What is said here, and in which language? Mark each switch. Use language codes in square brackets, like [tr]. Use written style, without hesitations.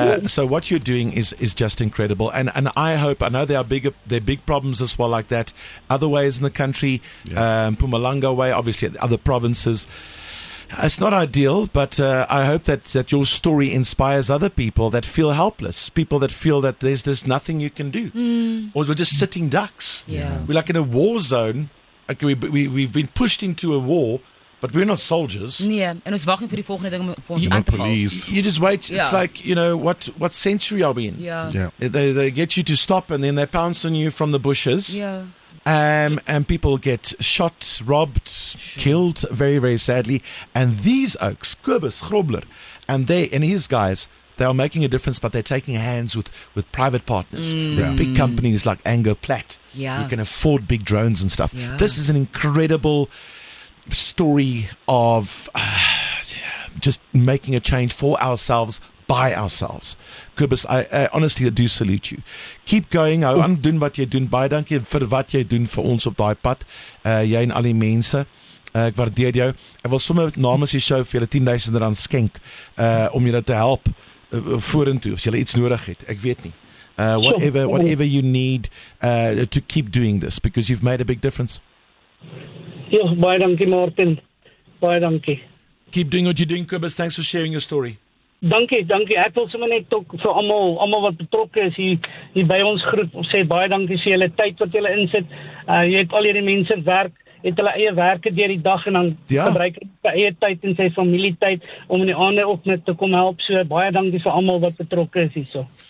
[en] So what you're doing is just incredible. And I hope, I know there are big problems as well like that, other ways in the country, Mpumalanga way, obviously other provinces. It's not ideal, but I hope that your story inspires other people that feel helpless, people that feel that there's nothing you can do. Mm. Or we're just sitting ducks. Yeah. We're like in a war zone. Okay, we've been pushed into a war. But we're not soldiers. [af] Nee, en ons wag net vir die volgende ding om vir ons aan te val. [en] You just wait. Yeah. It's like, you know, what century are we in? Yeah. Yeah. They get you to stop and then they pounce on you from the bushes. Yeah. And people get shot, robbed, killed, very, very sadly. And these oaks, Kobus Grobler, and they and his guys, they are making a difference, but they're taking hands with private partners. Mm. Yeah. Big companies like Anger Platt. Yeah. You can afford big drones and stuff. Yeah. This is an incredible story of just making a change for ourselves, by ourselves. Kobus, I honestly do salute you. Keep going. [af] Hou aan doen wat jy doen. Baie dankie vir wat jy doen vir ons op daai pad. Jy en al die mense. Ek waardeer jou. Ek wil sommer namens die show vir julle R10,000 skenk om julle te help vorentoe as julle iets nodig het. Ek weet nie. [en] Whatever you need to keep doing this because you've made a big difference. [af] Ja, baie dankie, Martin. Baie dankie. [en] Keep doing what you're doing, Kobus. Thanks for sharing your story. [af] Dankie. Ek wil sommer net ook vir almal wat betrokke is hier by ons groep, sê baie dankie vir julle tyd wat julle insit. Jy het al hierdie mense werk, het hulle eie werke deur die dag en dan gebruik hulle eie tyd en sy familie tyd om in die aande op net te kom help. So baie dankie vir almal wat betrokke is hierso.